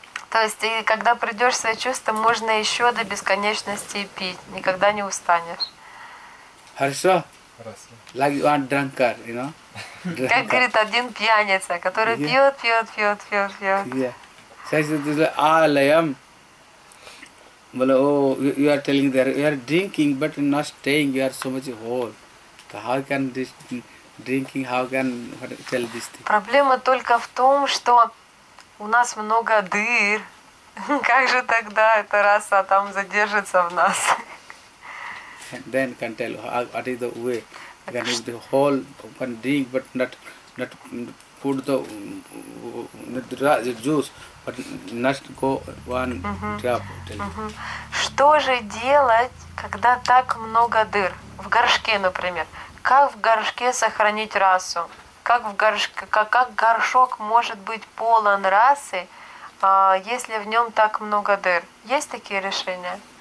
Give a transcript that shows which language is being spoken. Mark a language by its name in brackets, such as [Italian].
[Russian] То есть, и когда придешь в свои чувства, можно еще до бесконечности пить. Никогда не устанешь. [English] Хорошо? Like you are drunkard, you know? Drunkard. [Russian] Как говорит один пьяница, который пьет. [English] Yeah. So, alayam. Well, you are telling that you are drinking, but not staying. You are so much whole. So how can this... Drinking, how can tell this thing? [Russian] Проблема только в том, что у нас много дыр. Как же тогда эта раса там задержится в нас? [English] Then can tell what is the way. Can the whole can drink, but not put the juice, but not go one drop. [Russian] Что же делать, когда так много дыр в горшке, например? Как в горшке сохранить расу? Как горшок может быть полон расы, если в нем так много дыр? Есть такие решения?